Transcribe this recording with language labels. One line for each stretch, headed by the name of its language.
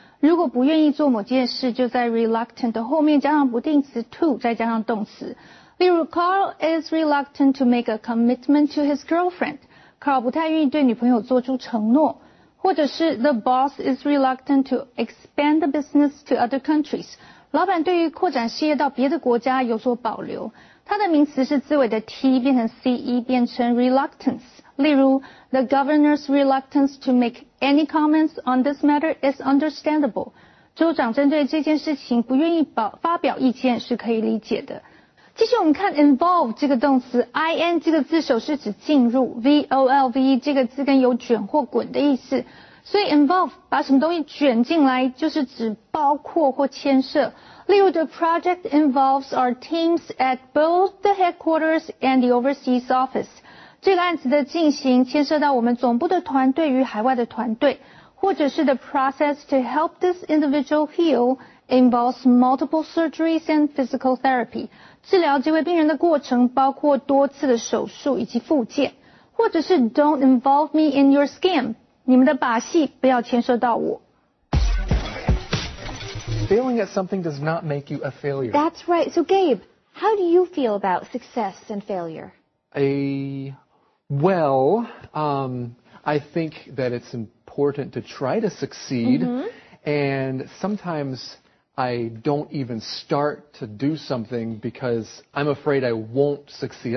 Chinese: 如果不愿意做某件事，就在 reluctant 的后面加上不定词 to， 再加上动词。例如
English: ，Carl is reluctant to make a commitment to his girlfriend。
Chinese: Carl 不太愿意对女朋友做出承诺。或者是
English: the boss is reluctant to expand the business to other countries。
Chinese: 老板对于扩展事业到别的国家有所保留。它的名词是字尾的 T 变成 CE 变成 reluctance。例如
English: ,the governor's reluctance to make any comments on this matter is understandable.
Chinese: 州长针对这件事情不愿意发表意见是可以理解的。继续我们看 involve 这个动词 ,IN 这个字首是指进入 ,VOLVE 这个字根有卷或滚的意思。所以 involve 把什么东西卷进来就是指包括或牵涉。例如
English: the project involves our teams at both the headquarters and the overseas office.
Chinese: 这个案子的进行牵涉到我们总部的团队与海外的团队。或者是
English: the process to help this individual heal involves multiple surgeries and physical therapy.
Chinese: 治疗这位病人的过程包括多次的手术以及复健。或者是
English: don't involve me in your scheme.
Chinese: 你们的把戏不要牵涉到我。
English: Failing at something does not make you a failure. That's right. So Gabe, how do you feel about success and failure? I think that it's important to try to succeed. Mm-hmm. And sometimes I don't even start to do something because I'm afraid I won't succeed.